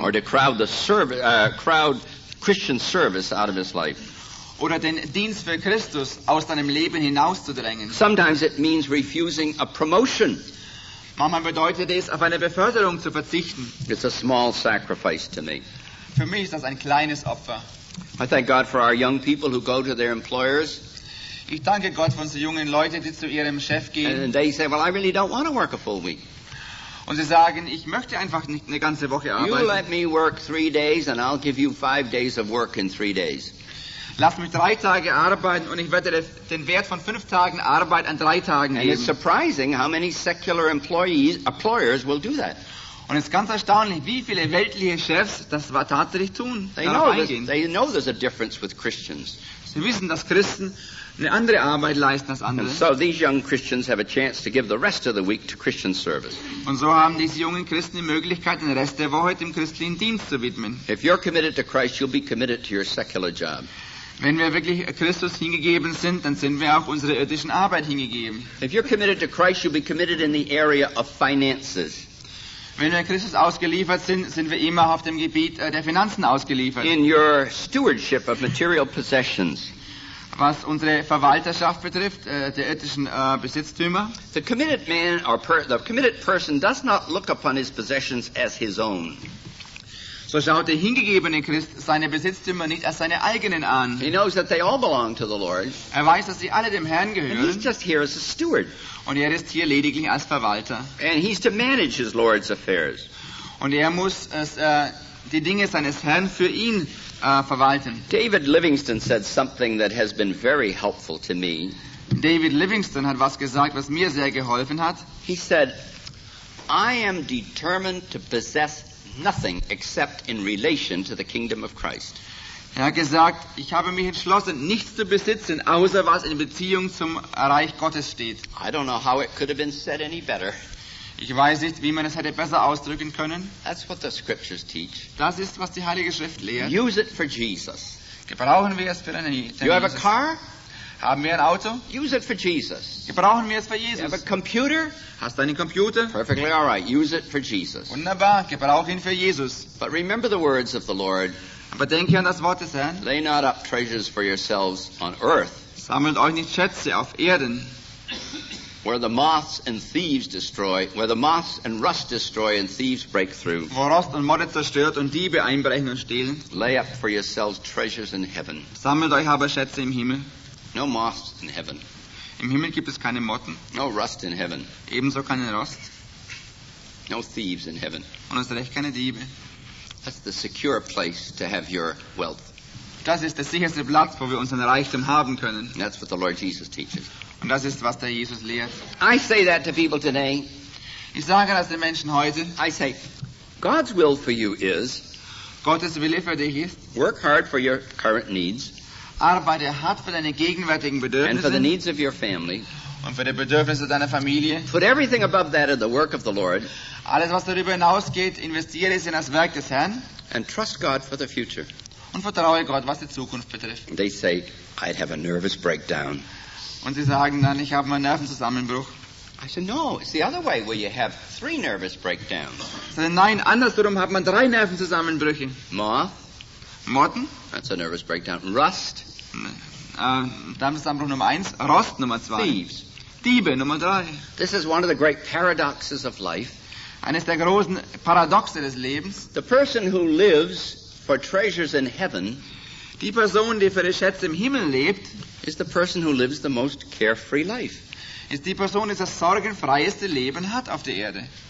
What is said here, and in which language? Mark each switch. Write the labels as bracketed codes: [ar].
[en] Or to crowd the crowd Christian service out of his life. [de] Oder den Dienst für Christus aus deinem Leben hinauszudrängen. [en] Sometimes it means refusing a promotion. [de] Manchmal bedeutet es, auf eine Beförderung zu verzichten. [en] It's a small sacrifice to me. [de] Für mich ist das ein kleines Opfer. [en] I thank God for our young people who go to their employers. [de] Ich danke Gott für unsere jungen Leute, die zu ihrem Chef gehen. [en] And they say, well, I really don't want to work a full week. [de] Und sie sagen, ich möchte einfach nicht eine ganze Woche arbeiten. [en] You let me work 3 days and I'll give you 5 days of work in 3 days. [de] Lass mich 3 Tage arbeiten und ich werde den Wert von 5 Tagen Arbeit an 3 Tagen geben. [en] And it's surprising how many secular employers will do that. [de] Und es ist ganz erstaunlich, wie viele weltliche Chefs das tatsächlich tun. [en] They know there's a difference with Christians. [de] Sie wissen, dass Christen eine andere Arbeit leisten als andere. [en] And so these young Christians have a chance to give the rest of the week to Christian service. [de] Und so haben diese jungen Christen die Möglichkeit, den Rest der Woche dem christlichen Dienst zu widmen. [en] If you're committed to Christ, you'll be committed to your secular job. [de] Wenn wir wirklich Christus hingegeben sind, dann sind wir auch unserer irdischen Arbeit hingegeben. [en] If you're committed to Christ, you'll be committed in the area of finances. [de] Wenn wir Christus ausgeliefert sind, sind wir immer auf dem Gebiet der Finanzen ausgeliefert. [en] In your stewardship of material possessions. [de] Was unsere Verwalterschaft betrifft, der irdischen Besitztümer. [en] The committed man or the committed person does not look upon his possessions as his own. [de] So schaut der hingegebene Christ seine Besitztümer nicht als seine eigenen an. [en] He knows that they all belong to the Lord. [de] Er weiß, dass sie alle dem Herrn gehören. [en] And he's just here as a steward. [de] Und er ist hier lediglich als Verwalter. [en] And he's to manage his Lord's affairs. [de] Und er muss die Dinge seines Herrn für ihn verwalten. [en] David Livingston said something that has been very helpful to me. [de] David Livingston hat was gesagt, was mir sehr geholfen hat. [en] He said, I am determined to possess nothing except in relation to the kingdom of Christ. [de] Er hat gesagt, ich habe mich entschlossen, nichts zu besitzen, außer was in Beziehung zum Reich Gottes steht. [en] I don't know how it could have been said any better. [de] Ich weiß nicht, wie man es hätte besser ausdrücken können. [en] That's what the scriptures teach. [de] Das ist, was die Heilige Schrift lehrt. [en] Use it for Jesus. [de] Gebrauchen wir es für einen Jesus. [en] You have a car? [de] Haben wir ein Auto? [en] Use it for Jesus. [de] Gebrauchen wir es für Jesus. [en] You have a computer? [de] Hast du einen Computer? [en] Perfectly all right. Use it for Jesus. [de] Wunderbar. Gebrauch ihn für Jesus. [en] But remember the words of the Lord. [de] Aber denke an das Wort des Herrn. [en] Lay not up treasures for yourselves on earth. [de] Sammelt euch nicht Schätze auf Erden. [en] Where the moths and thieves destroy, where the moths and rust destroy and thieves break through. [de] Wo Rost und Motten zerstört und Diebe einbrechen und stehlen. [en] Lay up for yourselves treasures in heaven. [de] Sammelt euch aber Schätze im Himmel. [en] No moths in heaven. [de] Im Himmel gibt es keine Motten. [en] No rust in heaven. [de] Ebenso keinen Rost. [en] No thieves in heaven. [de] Und es recht keine Diebe. [en] That's the secure place to have your wealth. [de] Das ist der sicherste Platz, wo wir unseren Reichtum haben können. [en] And that's what the Lord Jesus teaches. [de] Und das ist, was der Jesus lehrt. [en] I say that to people today. [de] Ich sage das den Menschen heute. [en] I say, God's will for you is. [de] Gottes Wille für dich ist. [en] Work hard for your current needs. [de] Arbeite hart für deine gegenwärtigen Bedürfnisse. [en] And for the needs of your family. [de] Und für die Bedürfnisse deiner Familie. [en] Put everything above that in the work of the Lord. [de] Alles, was darüber hinausgeht, investiere es in das Werk des Herrn. [en] And trust God for the future. [de] Und vertraue Gott, was die Zukunft betrifft. [en] They say, I'd have a nervous breakdown. [de] Und sie sagen dann, ich habe einen Nervenzusammenbruch. [en] I said, no, it's the other way where you have three nervous breakdowns. [de] Sie sagen, nein, andersrum hat man drei Nervenzusammenbrüche. [en] Moth. [de] Motten. [en] That's a nervous breakdown. Rust. [de] Nervenzusammenbruch Nummer eins. Rost Nummer zwei. [en] Thieves. [de] Diebe Nummer drei. [en] This is one of the great paradoxes of life. [de] Eines der großen Paradoxe des Lebens. [en] The person who lives for treasures in heaven. [de] Die Person, die für die Schätze im Himmel lebt, [en] is the person who lives the most carefree life. [de] Ist die Person, die das sorgenfreieste Leben hat auf der Erde.